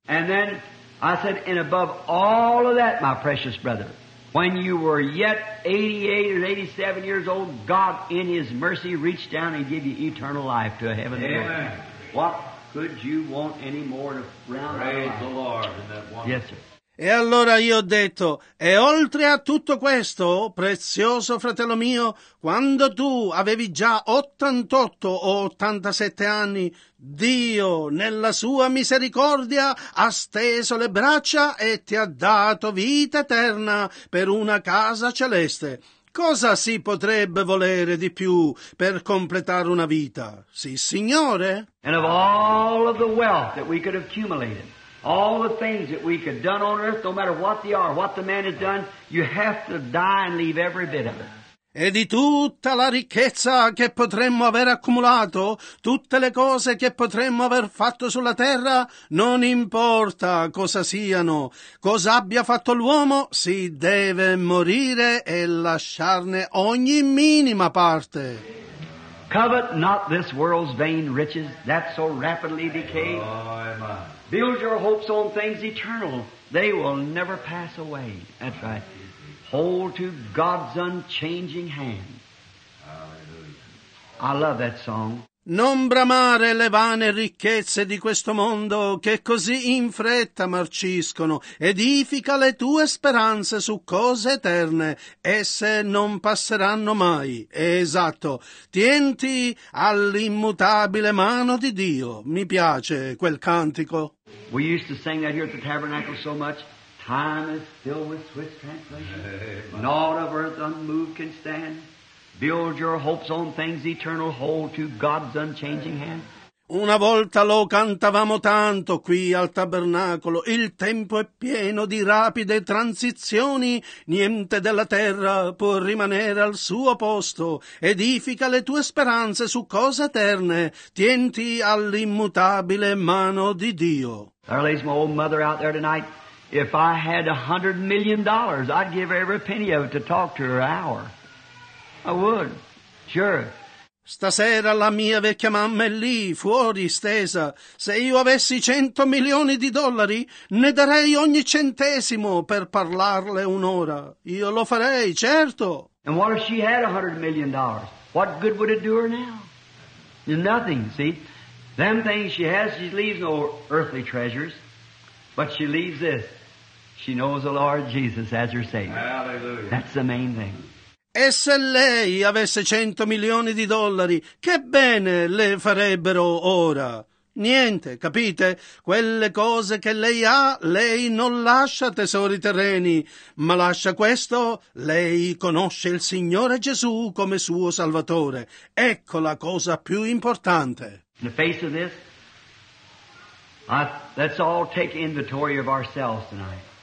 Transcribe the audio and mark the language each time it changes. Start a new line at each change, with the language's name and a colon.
English: And then I said, and above all of that, my precious brother, when you were yet 88 or 87 years old, God in his mercy reached down and gave you eternal life to a heavenly Lord. What could you want any more to round Praise the Lord. Isn't that wonderful? Yes, sir.
Italian: E allora io ho detto, e oltre a tutto questo, prezioso fratello mio, quando tu avevi già 88 o 87 anni, Dio, nella sua misericordia, ha steso le braccia e ti ha dato vita eterna per una casa celeste. Cosa si potrebbe volere di più per completare una vita? Sì, Signore?
English: And of all of the wealth that we could have accumulated, all the things that we could have done on earth, no matter what they are, what the man has done, you have to die and leave every bit of it.
Italian: E di tutta la ricchezza che potremmo aver accumulato, tutte le cose che potremmo aver fatto sulla terra, non importa cosa siano, cosa abbia fatto l'uomo, si deve morire e lasciarne ogni minima parte.
English: Covet not this world's vain riches that so rapidly decay. Build your hopes on things eternal. They will never pass away. That's right. Hold to God's unchanging hand. Hallelujah. I love that song.
Italian: Non bramare le vane ricchezze di questo mondo che così in fretta marciscono. Edifica le tue speranze su cose eterne, esse non passeranno mai. Esatto, tienti all'immutabile mano di Dio. Mi piace quel cantico.
English: We used to sing that here at the tabernacle so much. Time is filled with swift translation. Naught of earth unmoved can stand. Build your hopes on things eternal, hold to God's unchanging hand.
Italian: Una volta lo cantavamo tanto qui al tabernacolo. Il tempo è pieno di rapide transizioni. Niente della terra può rimanere al suo posto. Edifica le tue speranze su cose eterne. Tienti all'immutabile mano di Dio.
English: There lays my old mother out there tonight. If I had $100 million, I'd give every penny of it to talk to her an hour. I would, sure.
Italian: Stasera la mia vecchia mamma è lì, fuori, stesa. Se io avessi 100 milioni di dollari, ne darei ogni centesimo per parlarle un'ora. Io lo farei, certo.
English: And what if she had $100 million? What good would it do her now? Nothing, see? Them things she has, she leaves no earthly treasures. But she leaves this. She knows the Lord Jesus as her Savior. Hallelujah. That's the main thing.
Italian: E se lei avesse 100 milioni di dollari, che bene le farebbero ora? Niente, capite? Quelle cose che lei ha, lei non lascia tesori terreni, ma lascia questo, lei conosce il Signore Gesù come suo Salvatore. Ecco la cosa più importante.
English: In the face of this, let's all take inventory of ourselves tonight.